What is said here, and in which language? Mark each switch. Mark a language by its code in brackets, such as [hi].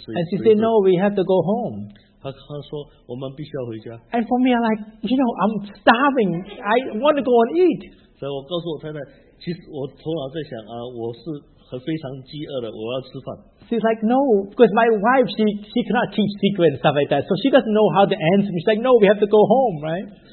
[en] she said, no, we have to go home. [zh] 她说, [en] and for me, I'm like, you know, I'm starving. I want to go and eat. [zh] 所以我告诉我太太，其实我头脑在想, 我是非常饥饿的, [en] she's like, no, because my wife, she cannot keep secret and stuff like that. So she doesn't know how to answer me. She's like, no, we have to go home, right?